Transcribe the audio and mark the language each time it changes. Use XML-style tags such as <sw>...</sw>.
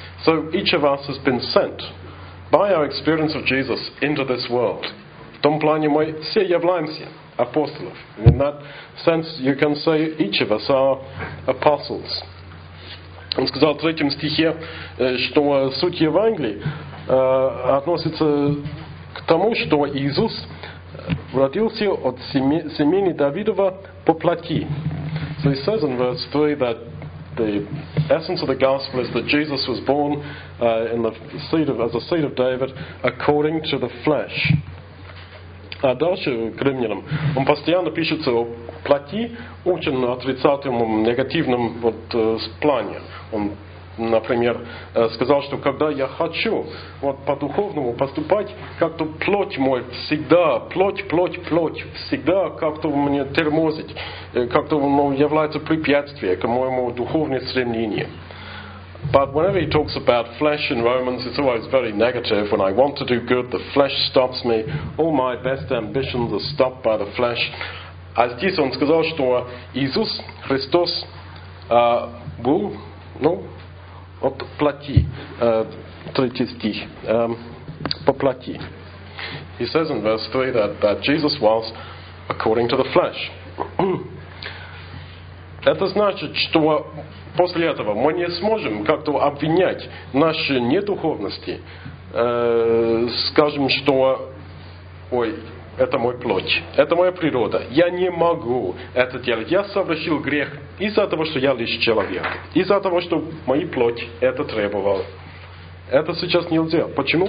<en>So each of us has been sent by our experience of Jesus into this world.</en> <ru>В том плане, мы все являемся апостолами.</ru> <en>In that sense, you can say each of us are apostles.</en> <ru>Он сказал в третьем стихе, что суть Евангелия относится к тому, что Иисус родился от семени Давидова по плоти.</ru> <en>So he says in verse 3 that the essence of the gospel is that Jesus was born as the seed of David according to the flesh.</en> <ru>А дальше к Римлянам. Он постоянно пишется о плоти, очень отрицательном, негативном плане. Он, например, сказал, что когда я хочу по-духовному поступать, как-то плоть всегда как-то мне тормозит, как-то является препятствием к моему духовному стремлению.</ru> <en>But whenever he talks about flesh in Romans, it's always very negative. When I want to do good, the flesh stops me. All my best ambitions are stopped by the flesh.</en> <ru>А здесь он сказал, что Иисус Христос был, от плоти. Третий стих. По плоти.</ru> <en>He says in verse 3 that Jesus was according to the flesh.</en> <ru>Это значит, что после этого мы не сможем как-то обвинять наши недуховности, скажем, что это мой плоть, это моя природа, я не могу это делать, я совершил грех из-за того, что я лишь человек, из-за того, что моя плоть это требовала. Это сейчас нельзя. Почему?</ru>